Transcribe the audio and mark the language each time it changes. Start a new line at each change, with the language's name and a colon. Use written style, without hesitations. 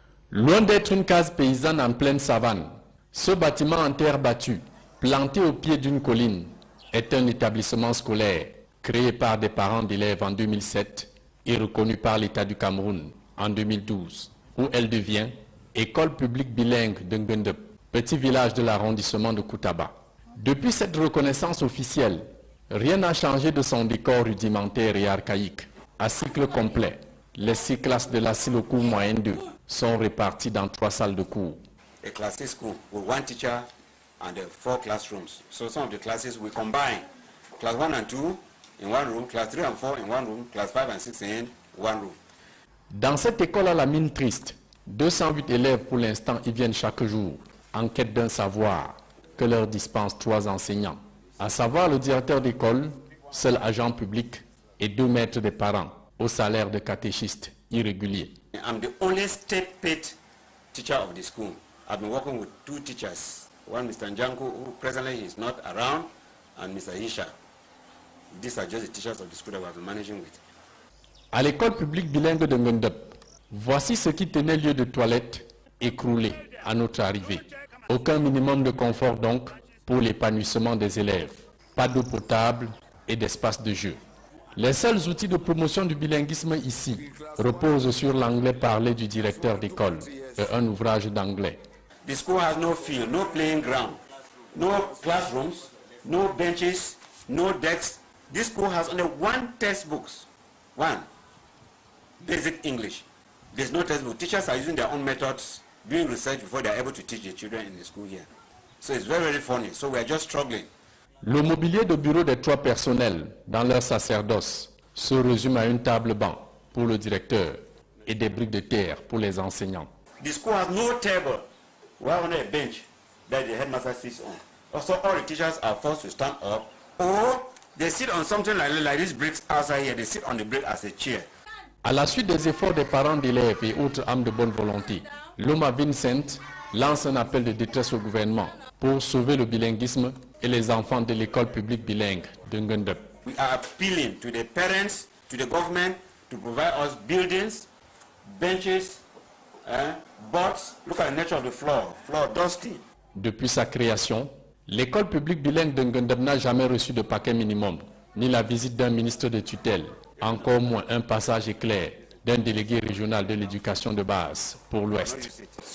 French: Loin d'être une case paysanne en pleine savane, ce bâtiment en terre battue, planté au pied d'une colline, est un établissement scolaire créé par des parents d'élèves en 2007 et reconnu par l'État du Cameroun en 2012, où elle devient école publique bilingue de Ngendup, petit village de l'arrondissement de Koutaba. Depuis cette reconnaissance officielle, rien n'a changé de son décor rudimentaire et archaïque. À cycle complet, les six classes de la Siloku moyenne 2 sont répartis dans trois salles de cours.
English: A classes school with one teacher and four classrooms. So some of the classes we combine class 1 and 2 in one room, class 3 and 4 in one room, class 5 and 6 in one room.
French: Dans cette école à la mine triste, 208 élèves pour l'instant y viennent chaque jour en quête d'un savoir que leur dispensent trois enseignants, à savoir le directeur d'école, seul agent public et deux maîtres des parents au salaire de catéchiste irrégulier.
English: I'm the only state paid teacher of the school. I've been working with two teachers. One Mr. Njanku, who presently is not around, and Mr. Isha. These are just the teachers of the school that we have been managing with.
French: À l'école publique bilingue de Ngendup, voici ce qui tenait lieu de toilette écroulée à notre arrivée. Aucun minimum de confort donc pour l'épanouissement des élèves. Pas d'eau potable et d'espace de jeu. Les seuls outils de promotion du bilinguisme ici reposent sur l'anglais parlé du directeur d'école et un ouvrage d'anglais.
English: The school has no field, no playing ground, no classrooms, no benches, no desks. This school has only one textbook, one, basic English. There's no textbook. Teachers are using their own methods, doing research before they are able to teach the children in the school here. So it's very, very funny. So we are just struggling.
French: Le mobilier de bureau des trois personnels dans leur sacerdoce se résume à une table banc pour le directeur et des briques de terre pour les enseignants.
English: The school has no table. We have only a bench that the headmaster sits on. Also, all the teachers are forced to stand up or they sit on something like these bricks outside here. They sit on the brick as a chair.
French: À la suite des efforts des parents d'élèves et autres âmes de bonne volonté, Loma Vincent, lance un appel de détresse au gouvernement pour sauver le bilinguisme et les enfants de l'école publique bilingue de Ngendup.
English: We are appealing to the parents, to the government, to provide us buildings, benches, boards. Look at the nature of the floor dusty.
French: Depuis sa création, l'école publique bilingue de Ngendup n'a jamais reçu de paquet minimum, ni la visite d'un ministre de tutelle, encore moins un passage éclair d'un délégué régional de l'éducation de base pour l'Ouest.